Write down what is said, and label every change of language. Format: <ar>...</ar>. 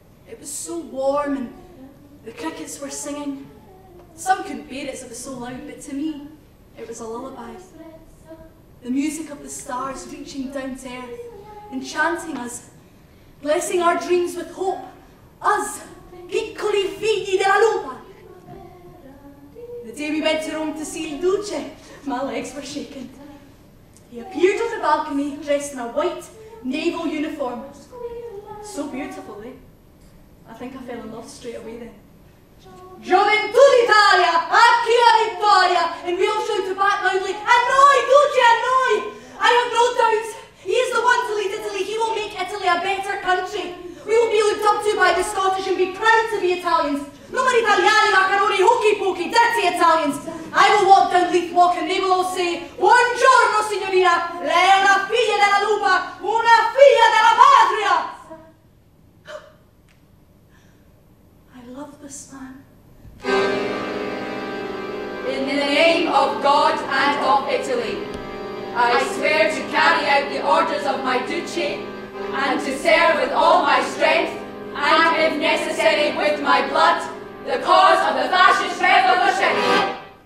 <en>It was so warm and the crickets were singing. Some couldn't bear it, so it was so loud, but to me, it was a lullaby. The music of the stars reaching down to earth, enchanting us, blessing our dreams with hope. Us,</en> <it>piccoli figli della lupa.</it> <en>The day we went to Rome to see Il Duce, my legs were shaking. He appeared on the balcony dressed in a white naval uniform. So beautiful, eh? I think I fell in love straight away then.</en> <it>Gioventù d'Italia, a chi la vittoria?</it> <en>And we all shouted back loudly,</en> <it>a noi, Duce, a noi!</it> <en>I have no doubt, he is the one to lead Italy. He will make Italy a better country. We will be looked up to by the Scottish and be proud to be Italians. Numeri italiani, macaroni, hokey pokey, dirty Italians. I will walk down Leith Walk and they will all say,</en> <it>buongiorno signorina, lei è una figlia della lupa, una figlia della patria.</it> <en>I love this man. In the name of God and of Italy, I swear to carry out the orders of my Duce and to serve with all my strength and if necessary with my blood, the cause of the fascist revolution.</en>